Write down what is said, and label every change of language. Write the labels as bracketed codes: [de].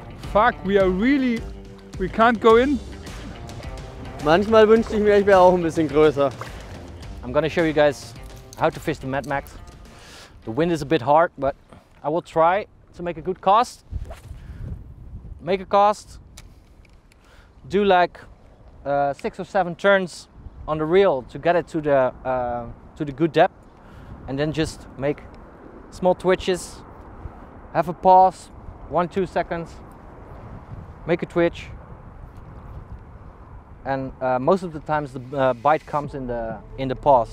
[en] Fuck, we are really, we can't go in. [de] Manchmal wünschte ich mir, ich wäre auch ein bisschen größer. [en] I'm gonna show you guys how to fish the Mad Max. The wind is a bit hard, but I will try to make a good cast. Make a cast, do like 6 or 7 turns on the reel to get it to the good depth, and then just make small twitches, have a pause, 1-2 seconds, make a twitch, and most of the times the bite comes in the pause.